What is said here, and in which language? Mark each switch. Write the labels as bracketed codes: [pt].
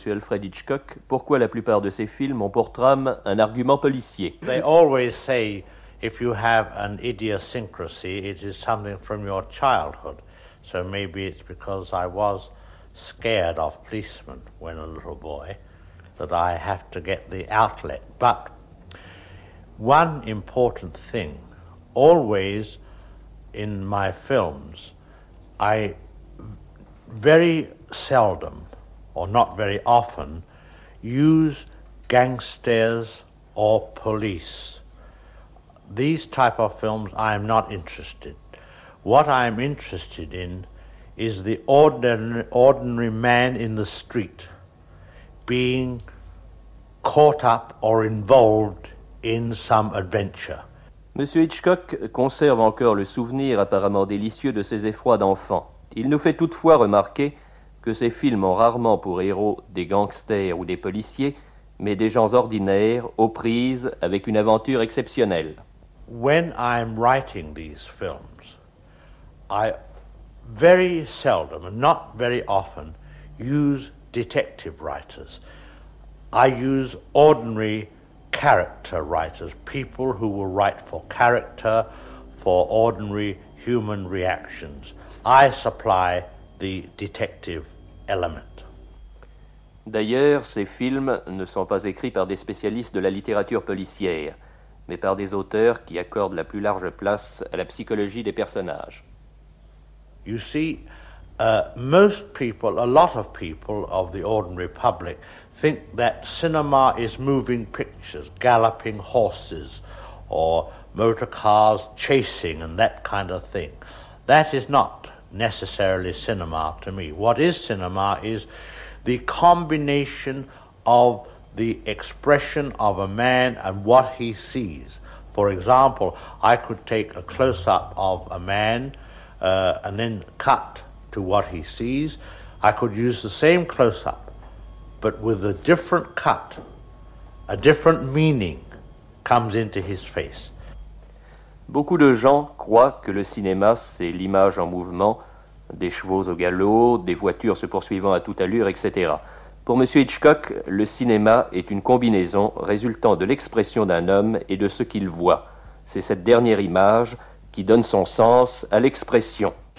[fr] Alfred Hitchcock pourquoi la plupart de ses films ont pour trame un argument policier. [en] They always say if you have an idiosyncrasy, it is something from your childhood. So maybe it's because I was scared of policemen when a little boy that I have to get the outlet. But one important thing, always in my films, I very seldom or not very often, use gangsters or police. These type of films, I am not interested. What I am interested in is the ordinary man in the street being caught up or involved in some adventure. [fr] Monsieur Hitchcock conserve encore le souvenir apparemment délicieux de ses effrois d'enfant. Il nous fait toutefois remarquer que ces films ont rarement pour héros des gangsters ou des policiers, mais des gens ordinaires aux prises avec une aventure exceptionnelle. [en] When I'm writing these films, I very seldom, not very often, use detective writers. I use ordinary character writers, people who will write for character, for ordinary human reactions. I supply the detective element. [fr] D'ailleurs, ces films ne sont pas écrits par des spécialistes de la littérature policière, mais par des auteurs qui accordent la plus large place à la psychologie des personnages. [en] You see, most people, a lot of people of the ordinary public, think that cinema is moving pictures, galloping horses, or motor cars chasing, and that kind of thing. That is not necessarily cinema to me. What is cinema is the combination of the expression of a man and what he sees. For example, I could take a close-up of a man and then cut to what he sees. I could use the same close-up, but with a different cut, a different meaning comes into his face. [fr] Beaucoup de gens croient que le cinéma, c'est l'image en mouvement, des chevaux au galop, des voitures se poursuivant à toute allure, etc. Pour M. Hitchcock, le cinéma est une combinaison résultant de l'expression d'un homme et de ce qu'il voit. C'est cette dernière image qui donne son sens à l'expression.